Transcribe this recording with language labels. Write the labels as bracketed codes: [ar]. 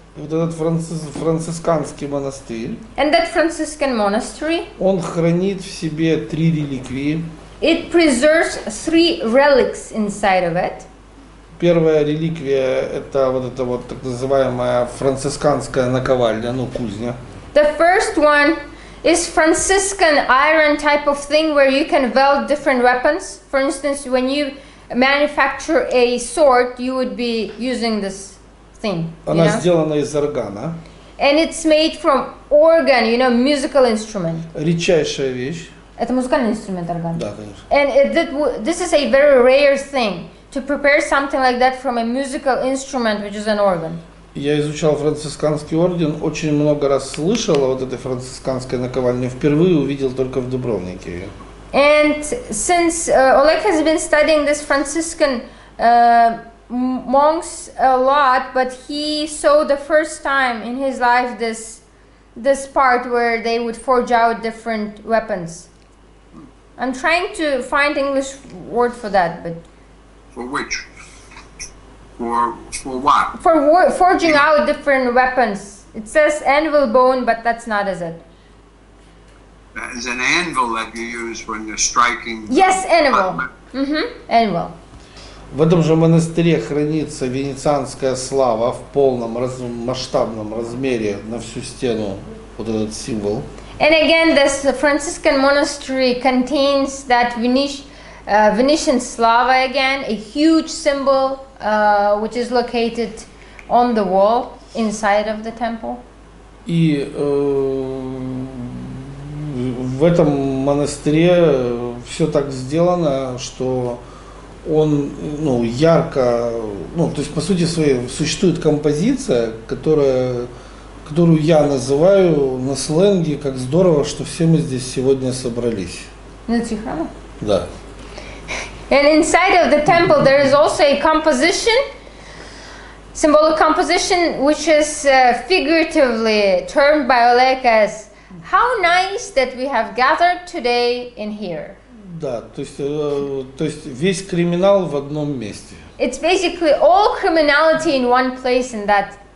[ru] И вот этот францисканский монастырь. [en] And that Franciscan Monastery. [ru] Он хранит в себе три реликвии. [en] It preserves three relics inside of it. [ru] Первая реликвия это вот эта вот так называемая францисканская наковальня, ну кузня. [en] The first one is Franciscan iron type of thing where you can weld different weapons. For instance, when you manufacture a sword, you would be using this thing. [ru] Она сделана из органа. [en] And it's made from organ, you know, musical instrument. [ru] Редчайшая вещь. Это музыкальный инструмент, орган. Да, конечно. [en] And this is a very rare thing to prepare something like that from a musical instrument, which is an organ. [ru] Я изучал францисканский орден, очень много раз слышал о вот этой францисканской наковальне, впервые увидел только в Дубровнике ее. [en] And since Oleg has been studying this Franciscan monks a lot, but he saw the first time in his life this part where they would forge out different weapons. I'm trying to find English word for that, but... For which? For what? For forging out different weapons. It says anvil bone, but that's not, is it? Is an anvil that you use when you're striking? Yes, anvil. Mm-hmm. Anvil. [ru] В этом же монастыре хранится венецианская слава в полном масштабном размере на всю стену вот этот символ. [en] And again, this Franciscan monastery contains that Venetian slava again, a huge symbol. Which is located on the wall inside of the temple. [ru] И в этом монастыре все так сделано, что он, ну, ярко, ну, то есть по сути своей существует композиция, которую я называю на сленге как здорово, что все мы здесь сегодня собрались. На Тихана? Да. [en] And inside of the temple, there is also a composition, symbolic composition, which is figuratively termed by Oleg as "How nice that we have gathered today in here." [ru] Да, то есть весь криминал в одном месте. [en] It's basically all criminality in one place in that